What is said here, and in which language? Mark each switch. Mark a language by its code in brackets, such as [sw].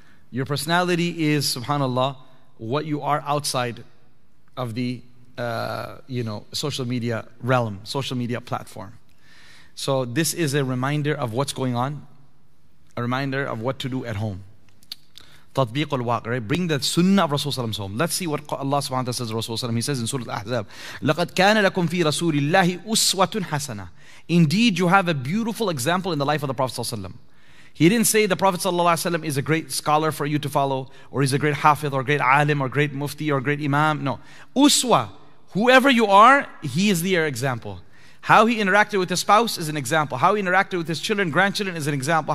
[en] Your personality is, subhanAllah, what you are outside of the social media realm, social media platform. So this is a reminder of what's going on, a reminder of what to do at home. Tatbiq al-waq, right? Bring the sunnah of Rasulullah home. Let's see what Allah subhanahu wa ta'ala says to Rasulullah. He says in Surah Al-Ahzab, [ar] لَقَدْ كَانَ لَكُمْ فِي رَسُولِ اللَّهِ أُسْوَةٌ حَسَنَةٌ. [en] Indeed, you have a beautiful example in the life of the Prophet sallallahu alayhi wa sallam. He didn't say the Prophet sallallahu alayhi wa sallam is a great scholar for you to follow, or he's a great hafidh, or great alim, or great mufti, or great imam. No. Uswa, whoever you are, he is their example. How he interacted with his spouse is an example. How he interacted with his children, grandchildren is an example.